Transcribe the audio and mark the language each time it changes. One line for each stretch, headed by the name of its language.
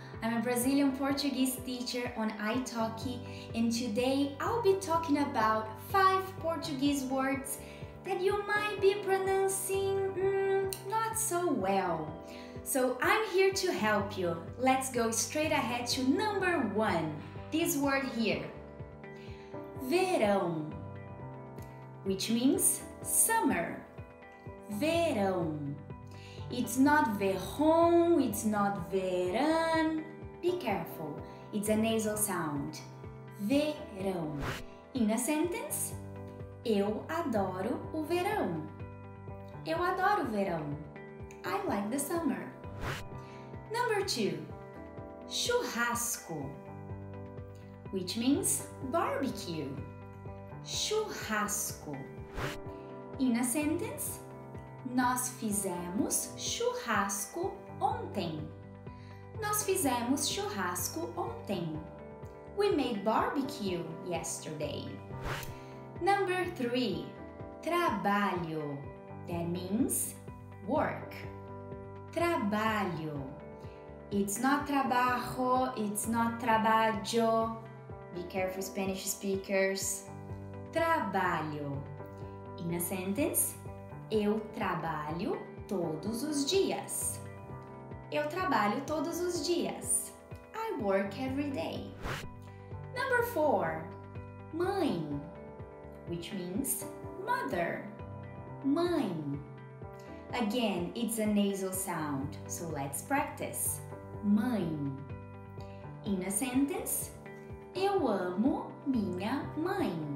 English: I'm a Brazilian Portuguese teacher on iTalki, and today I'll be talking about five Portuguese words that you might be pronouncing not so well. So I'm here to help you. Let's go straight ahead to number one. This word here, verão, which means summer.
Portuguese: Verão.
English: It's not verão, it's not verão. Be careful, it's a nasal sound.
Portuguese: Verão.
English: In a sentence,
Portuguese: eu adoro o verão. Eu adoro o verão.
English: I like the summer. Number two, churrasco, which means barbecue.
Portuguese: Churrasco.
English: In a sentence,
Portuguese: nós fizemos churrasco ontem. Nós fizemos churrasco ontem.
English: We made barbecue yesterday. Number three, trabalho. That means work. Trabalho. It's not trabajo, it's not trabalho. Be careful, Spanish speakers.
Portuguese: Trabalho.
English: In a sentence,
Portuguese: eu trabalho todos os dias. Eu trabalho todos os dias.
English: I work every day. Number four, mãe, which means mother. Mãe. Again, it's a nasal sound, so let's practice.
Portuguese: Mãe.
English: In a sentence,
Portuguese: eu amo minha mãe.